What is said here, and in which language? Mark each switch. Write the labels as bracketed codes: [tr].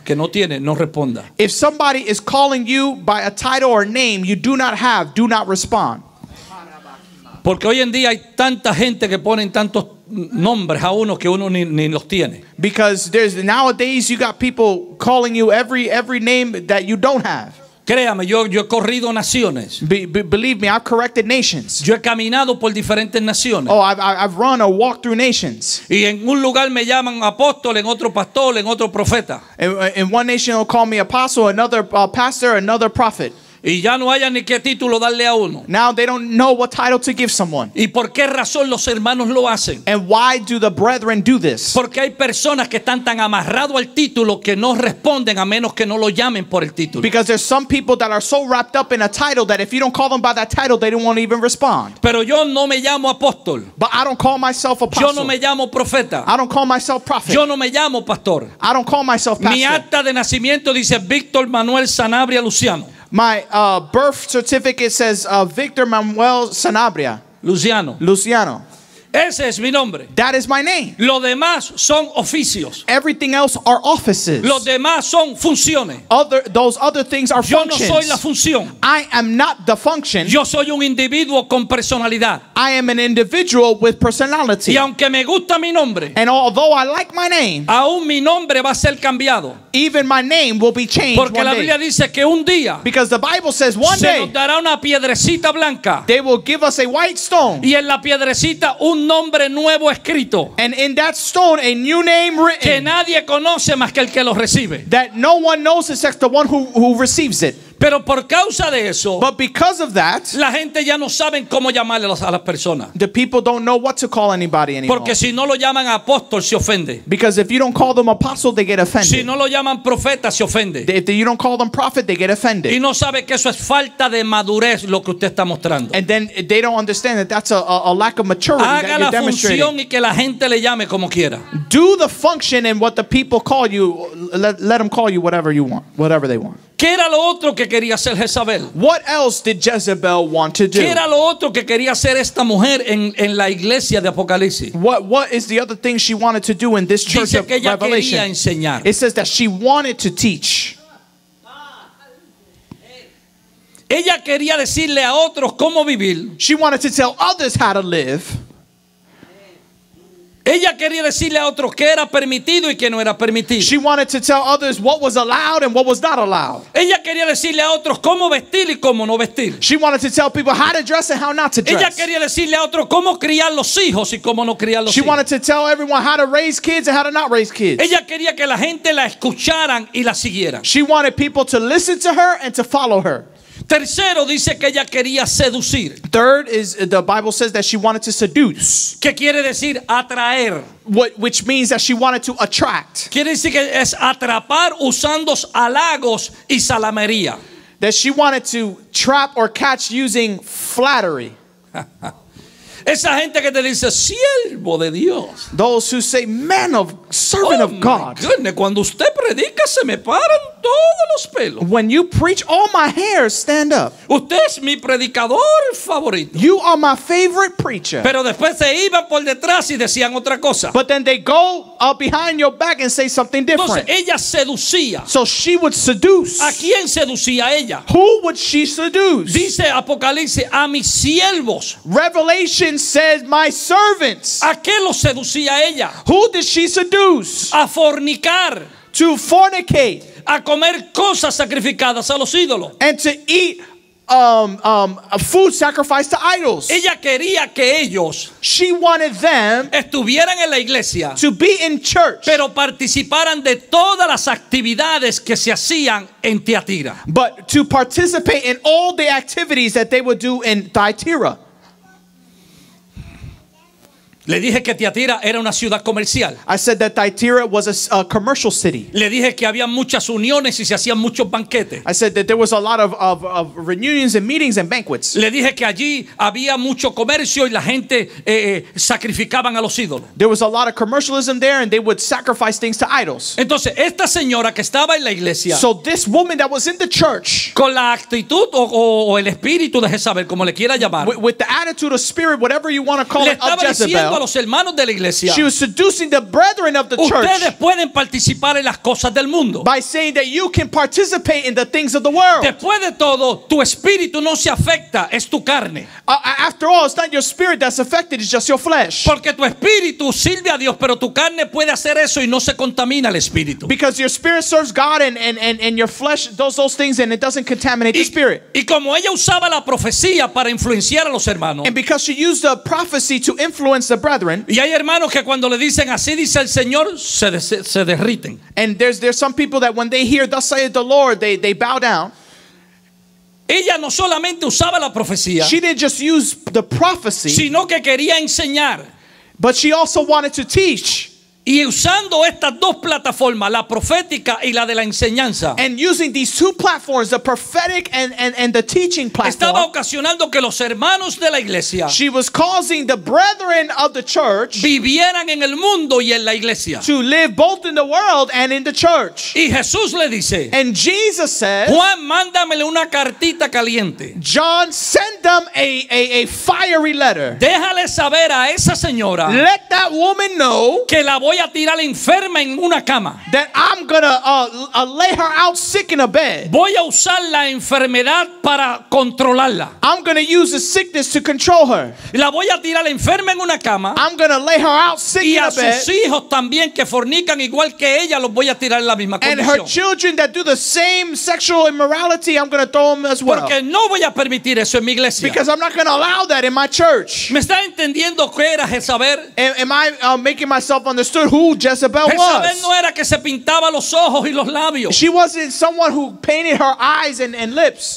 [es] Que no tiene, no responda. [en] If somebody is calling you by a title or name you do not have, do not respond. [es] Porque hoy en día hay tanta gente que ponen tantos nombres a uno que uno ni los tiene. [en] Because there's nowadays you got people calling you every name that you don't have. [es] Créame, yo he corrido naciones. [en] Believe me, I've corrected nations. [es] Yo he caminado por diferentes naciones. [en] Oh, I've run or walked through nations. [es] Y en un lugar me llaman apóstol, en otro pastor, en otro profeta. [en] In one nation they'll call me apostle, another pastor, another prophet. [es] Y ya no haya ni qué título darle a uno. [en] Now they don't know what title to give someone. [es] ¿Y por qué razón los hermanos lo hacen? [en] And why do the brethren do this? [es] Porque hay personas que están tan amarrado al título que no responden a menos que no lo llamen por el título. [en] Because there's some people that are so wrapped up in a title that if you don't call them by that title they don't want to even respond. [es] Pero yo no me llamo apóstol. [en] But I don't call myself apostle. [es] Yo no me llamo profeta. [en] I don't call myself prophet. [es] Yo no me llamo pastor. [en] I don't call myself pastor. [es] Mi acta de nacimiento dice Víctor Manuel Sanabria Luciano. [en] My birth certificate says Victor Manuel Sanabria. [es] Luciano. [en] Luciano. [es] Ese es mi nombre. [en] That is my name. [es] Lo demás son oficios. [en] Everything else are offices. [es] Lo demás son funciones. [en] Those other things are functions. [es] Yo no soy la función. [en] I am not the function. [es] Yo soy un individuo con personalidad. [en] I am an individual with personality. [es] Y aunque me gusta mi nombre, [en] and although I like my name, [es] aún mi nombre va a ser cambiado. [en] Even my name will be changed. [es] Porque [en] one [es] la Biblia [en] day. [es] Dice que un día, [en] because the Bible says one [es] se [en] day, [es] nos dará una piedrecita blanca. [en] They will give us a white stone. [es] Y en la piedrecita un nombre nuevo escrito. [en] And in that stone a new name written. [es] Que nadie conoce más que el que lo recibe. [en] That no one knows except the one who receives it. [es] Pero por causa de eso, [en] but because of that, [es] la gente ya no saben cómo llamarle a las personas. [en] The people don't know what to call anybody anymore. [es] Porque si no lo llaman apóstol, se ofende. [en] Because if you don't call them apostle, they get offended. [es] Si no lo llaman profeta, se ofende. [en] If you don't call them prophet, they get offended. [es] Y no sabe que eso es falta de madurez lo que usted está mostrando. [en] And then they don't understand that that's a lack of maturity. [es] Haga [en] that you're [es] la función y que la gente le llame como quiera. [en] Do the function and what the people call you, let them call you whatever you want, whatever they want. [es] ¿Qué era lo otro que quería hacer Jezabel? [en] What else did Jezebel want to do? [es] ¿Qué era lo otro que quería hacer esta mujer en la iglesia de Apocalipsis? [en] What is the other thing she wanted to do in this church of Revelation? [es] Dice que ella quería enseñar. [en] It says that she wanted to teach. [es] Ella quería decirle a otros cómo vivir. [en] She wanted to tell others how to live. [es] Ella quería decirle a otros qué era permitido y qué no era permitido. [en] She wanted to tell others what was allowed and what was not allowed. [es] Ella quería decirle a otros cómo vestir y cómo no vestir. [en] She wanted to tell people how to dress and how not to dress. [es] Ella quería decirle a otros cómo criar los hijos y cómo no criar los [en] She [es] hijos. [en] Wanted to tell everyone how to raise kids and how to not raise kids. [es] Ella quería que la gente la escucharan y la siguieran. [en] She wanted people to listen to her and to follow her. [es] Tercero, dice que ella quería seducir. [en] Third is the Bible says that she wanted to seduce. [es] ¿Qué quiere decir atraer? [en] Which means that she wanted to attract. [es] Quiere decir que es atrapar usando halagos y salamería. [en] That she wanted to trap or catch using flattery. [es] Esa gente que te dice siervo de Dios. [en] Those who say man of servant oh, of God. Goodness, [es] cuando usted predica, se me paran todos los pelos. [en] When you preach, all my hairs stand up. [es] Usted es mi predicador favorito. [en] You are my favorite preacher. [es] Pero después se iban por detrás y decían otra cosa. [en] But then they go up behind your back and say something different. [es] Entonces ella seducía. [en] So she would seduce. [es] ¿A quién seducía ella? [en] Who would she seduce? [es] Dice Apocalipsis, a mis siervos. [en] Revelation says, my servants. [es] ¿A qué los seducía ella? [en] Who did she seduce? [es] A fornicar. [en] To fornicate. [es] A comer cosas sacrificadas a los ídolos. [en] And to eat a food sacrificed to idols. [es] Ella quería que ellos, [en] she wanted them, [es] estuvieran en la iglesia, [en] to be in church, [es] pero participaran de todas las actividades que se hacían en Tiatira, [en] but to participate in all the activities that they would do in Thyatira. [es] Le dije que Tiatira era una ciudad comercial. [en] I said that Thyatira was a commercial city. [es] Le dije que había muchas uniones y se hacían muchos banquetes. [en] I said that there was a lot of reunions and meetings and banquets. [es] Le dije que allí había mucho comercio y la gente sacrificaban a los ídolos. [en] There was a lot of commercialism there and they would sacrifice things to idols. [es] Entonces esta señora que estaba en la iglesia, [en] so this woman that was in the church, [es] con la actitud o el espíritu de Jezabel, como le quiera llamar, [en] with the attitude or spirit, whatever you want to call it, of Jezebel, [es] a los hermanos de la iglesia, [en] she was seducing the brethren of the church. [es] Ustedes pueden participar en las cosas del mundo. [en] By saying that you can participate in the things of the world. [es] Después de todo, tu espíritu no se afecta, es tu carne. [en] After all, it's not your spirit that's affected, it's just your flesh. [es] Porque tu espíritu sirve a Dios, pero tu carne puede hacer eso y no se contamina el espíritu. [en] Because your spirit serves God and your flesh does those things and it doesn't contaminate the spirit. [es] Y como ella usaba la profecía para influenciar a los hermanos, [en] and because she used the prophecy to influence the brethren. [es] Y hay hermanos que cuando le dicen así dice el Señor, se derriten. [en] And there's some people that when they hear thus saith the Lord, they bow down. [es] Ella no solamente usaba la profecía, [en] she didn't just use the prophecy, [es] sino que quería enseñar, [en] but she also wanted to teach. [es] Y usando estas dos plataformas, la profética y la de la enseñanza, [en] and using these two platforms, the prophetic and the teaching platform, [es] estaba ocasionando que los hermanos de la iglesia, [en] she was causing the brethren of the church, [es] vivieran en el mundo y en la iglesia, [en] to live both in the world and in the church. [es] Y Jesús le dice, [en] and Jesus says, [es] Juan, mándamele una cartita caliente. [en] John, send them a fiery letter. [es] Déjale saber a esa señora, [en] let that woman know, [es] que la voy a tirar enferma en una cama. [en] That I'm gonna lay her out sick in a bed. [es] Voy a usar la enfermedad para controlarla. [en] I'm gonna use the sickness to control her. [es] La voy a tirar enferma en una cama. [en] I'm gonna lay her out sick in a bed. [es] Y a sus hijos también que fornican igual que ella los voy a tirar en la misma condición. [en] And her children that do the same sexual immorality, I'm gonna throw them as well. [es] Porque no voy a permitir eso en mi iglesia. [en] Because I'm not gonna allow that in my church. [es] ¿Me está entendiendo qué era Jezabel? [en] Am I making myself understood who Jezebel was? [es] Jezebel no era que se pintaba los ojos y los labios. [en] She wasn't someone who painted her eyes and lips.